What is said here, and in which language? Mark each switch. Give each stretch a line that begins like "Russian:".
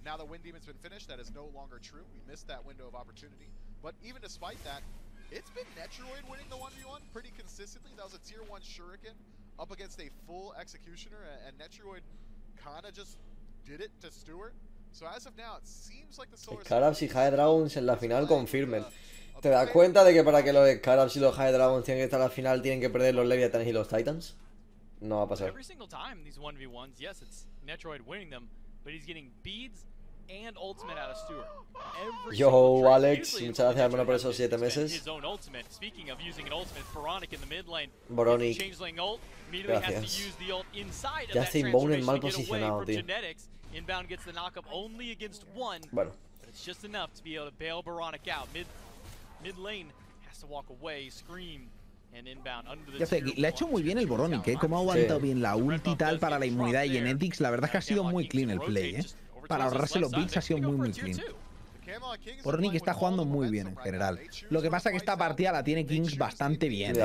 English: Now that Wind Demon's been finished, that is no longer true. We missed that window of opportunity. But even despite that, it's been Netroid winning the 1v1 pretty consistently. That was a tier 1 Shuriken up against a full Executioner, and Netroid kind of just did it to Stuart. So as of now, it seems like the Sora
Spanish: Scarabs y High Dragons en la final confirmen. ¿Te das cuenta de que para que los Scarabs y los High Dragons tienen que estar a la final, tienen que perder los Leviathans y los Titans? No va a pasar.
English: Every single time these 1v1s, yes, it's Netroid winning them, but he's getting beads and ultimate out of Stuart.
Spanish: Yo, Alex, muchas gracias, hermano, por esos 7 meses.
English: His own ultimate. Speaking of using an ultimate, Veronic in the mid lane. Veronic. Changeling ult.
Spanish: Gracias. Ya está Inbounded mal posicionado, tío.
English: Inbound gets the knock up only against one.
Spanish: Bueno.
English: But it's just enough to be able to bail Veronic out. Mid lane has to walk away, Scream.
Spanish: Ya sé, le ha hecho muy bien el Veronic, ¿eh? Como ha aguantado bien la ulti y tal para la inmunidad y en Genetics, la verdad es que ha sido muy clean el play, ¿eh? Para ahorrarse los beats ha sido muy, muy clean. Veronic está jugando muy bien en general. Lo que pasa es que esta partida la tiene Kings bastante bien.